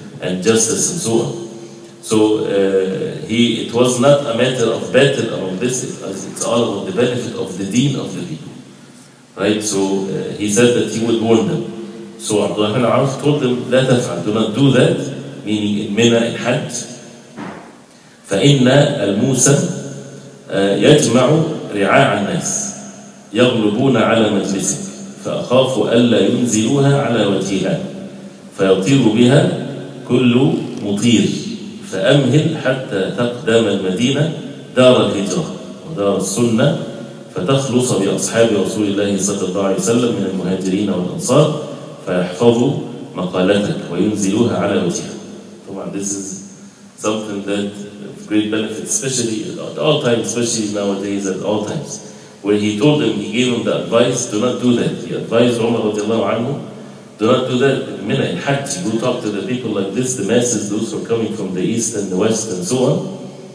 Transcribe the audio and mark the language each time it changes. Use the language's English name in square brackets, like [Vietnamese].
[English] And justice and so on. So, it was not a matter of battle among this, it's all about the benefit of the deen of the people. Right? So, he said that he would warn them. So, Abdullah bin Auf told them, [Arabic] لا تفعل, [English] do not do that, meaning in Mina, in Hajj. [Arabic] فَإِنَّ الْمُوسَى يجمع رعاع الناس يغلبون على مجلسك فأخاف ألا ينزلوها على وجهها فيطير بها كل مطير فأمهل حتى تقدم المدينة دار الهجرة ودار السنة فتخلص بأصحاب رسول الله صلى الله عليه وسلم من المهاجرين والأنصار فيحفظوا مقالتك وينزلوها على وجهها. طبعا [English] this is something that great benefits, especially at all times, especially nowadays at all times. Where he told him, he gave him the advice, do not do that. He advised Umar radiallahu anhu, do not do that in Mina, in Hajj. Go talk to the people like this, the masses, those who are coming from the east and the west and so on.